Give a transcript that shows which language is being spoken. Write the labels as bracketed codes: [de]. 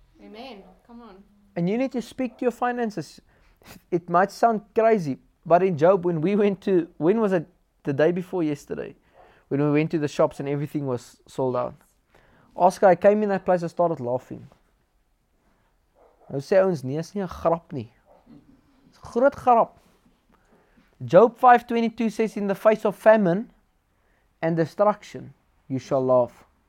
[en] Amen. Come on. And you need to speak to your finances. It might sound crazy, but in Job, when we went to, when was it? The day before yesterday. When we went to the shops and everything was sold out. Oscar, I came in that place, I started laughing. [af] Nou sê ons, nie, is nie 'n grap nie. Is 'n groot grap. [en] Job 5:22 says, in the face of famine and destruction, you shall laugh.